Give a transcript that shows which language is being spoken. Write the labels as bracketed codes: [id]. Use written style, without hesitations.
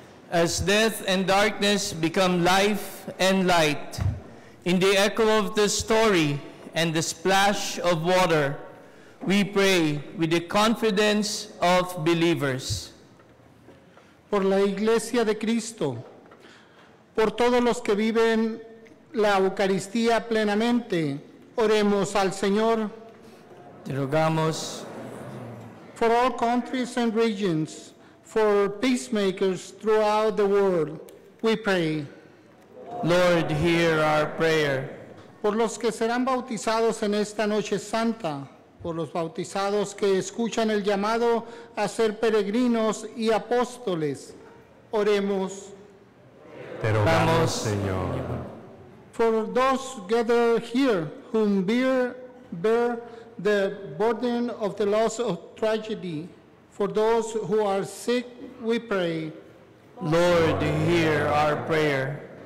[en] As death and darkness become life and light, in the echo of the story and the splash of water, we pray with the confidence of believers. [es] Por la Iglesia de Cristo, por todos los que viven la Eucaristía plenamente, oremos al Señor. Te rogamos. [en] For all countries and regions, for peacemakers throughout the world, we pray. Lord, hear our prayer. [es] Por los que serán bautizados en esta noche santa, por los bautizados que escuchan el llamado a ser peregrinos y apóstoles, oremos. Te rogamos, Señor. [en] For those gathered here whom bear the burden of the loss of tragedy, for those who are sick, we pray. Lord, hear our prayer.